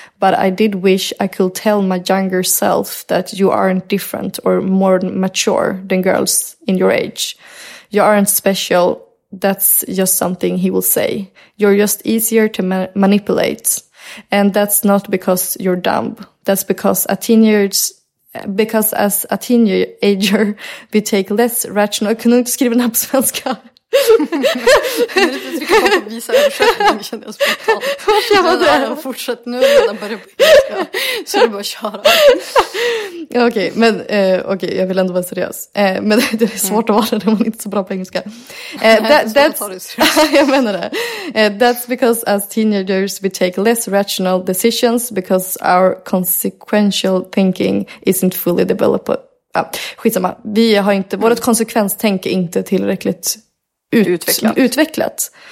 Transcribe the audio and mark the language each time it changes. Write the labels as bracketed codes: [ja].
[en] But I did wish I could tell my younger self that you aren't different or more mature than girls in your age. You aren't special. That's just something he will say. You're just easier to manipulate. And that's not because you're dumb. That's because as a teenager, [sv] vi [en] take less rational... [sv] Kan du inte skriva den här på svenska? Vi ska visa översättningen, känner jag spontant. Fortsätt nu, redan börjar på engelska. Så du bara köra. Okej, jag vill ändå vara seriös. Men det är svårt att vara när man inte är så bra på engelska. Jag menar det. [en] That's because as teenagers we take less rational decisions because our consequential thinking isn't fully developed. [sv] Ja, skitsamma. Vi har inte, vårt konsekvenstänk är inte tillräckligt utvecklat.